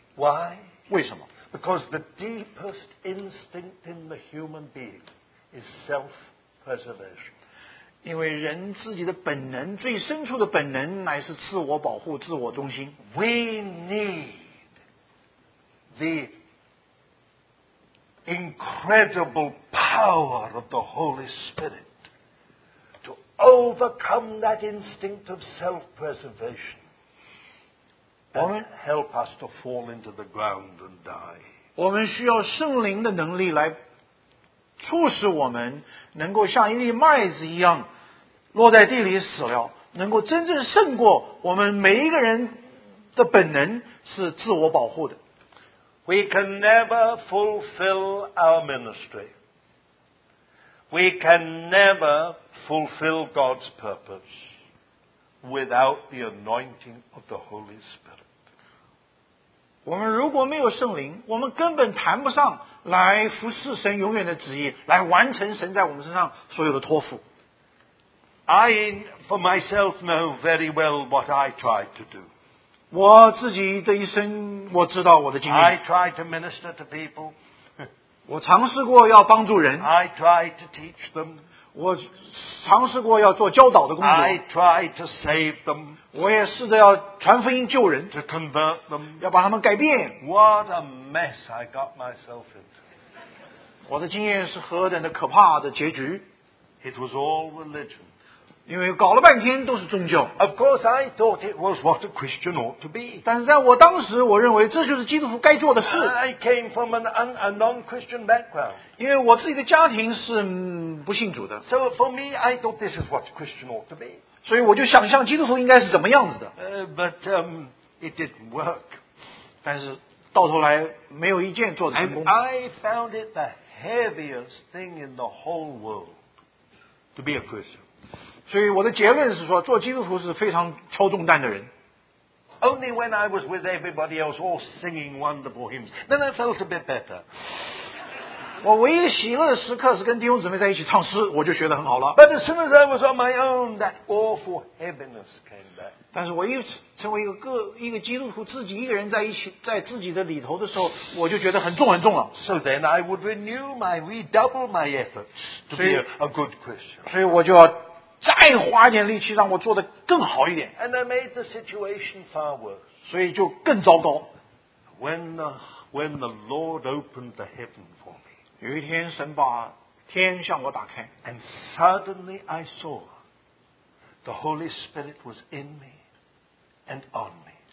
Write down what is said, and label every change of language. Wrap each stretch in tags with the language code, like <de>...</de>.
<en>Why?</en> <zh>为什么？</zh> <en>Because the deepest instinct in the human being is self-preservation.</en> <zh>因为人自己的本能，最深处的本能乃是自我保护，自我中心。</zh> <en>We need the incredible power of the Holy Spirit to overcome that instinct of self-preservation and help us to fall into the ground and die.</en> <zh>我们需要圣灵的能力来促使我们能够像一粒麦子一样落在地里死了，能够真正胜过我们每一个人的本能是自我保护的。</zh> <en>We can never fulfill our ministry. We can never fulfill God's purpose without the anointing of the Holy Spirit.</en> <zh>我们如果没有圣灵，我们根本谈不上来服侍神永远的旨意，来完成神在我们身上所有的托付。</zh> <en>I, for myself, know very well what I tried to do.</en> <zh>我自己的一生，我知道我的经历。</zh> <en>I tried to minister to people.</en> <zh>我尝试过要帮助人。</zh> <en>I tried to teach them.</en> <zh>我尝试过要做教导的工作。</zh> <en>I tried to save them.</en> <zh>我也试着要传福音救人。</zh> <en>To convert them.</en> <zh>要把他们改变。</zh> <en>What a mess I got myself into.</en> <zh>我的经验是何等的可怕的结局。</zh> <en>It was all religion.</en> <zh>因为搞了半天都是宗教。</zh> <en>Of course, I thought it was what a Christian ought to be.</en> <zh>但是在我当时，我认为这就是基督徒该做的事。</zh> <en>I came from a non-Christian background.</en> <zh>因为我自己的家庭是不信主的。</zh> <en>So for me, I thought this is what a Christian ought to be.</en> <zh>所以我就想象基督徒应该是怎么样子的。</zh> <en>But it didn't work.</en> <zh>但是到头来没有一件做得成功。</zh> <en>And I found it the heaviest thing in the whole world to be a Christian.</en> <zh>所以我的结论是说，做基督徒是非常挑重担的人。</zh> <en>only when I was with everybody else all singing wonderful hymns. Then I felt a bit better.</en> <zh>我唯一喜乐的时刻是跟弟兄姊妹在一起唱诗，我就学得很好了。</zh> <en>But as soon as I was on my own, that awful heaviness came back.</en> <zh>但是我一成为一个基督徒自己一个人在一起，在自己的里头的时候，我就觉得很重很重了。</zh> <en>So then I would renew my, redouble my efforts to be a good Christian.</en> <zh>所以我就要再花点力气，让我做得更好一点。</zh> <en>And I made the situation far worse.</en> <zh>所以就更糟糕。</zh> <en>When the Lord opened the heaven for me.</en> <zh>有一天神把天向我打开,</zh> <en>and suddenly I saw the Holy Spirit was in me and on me.</en>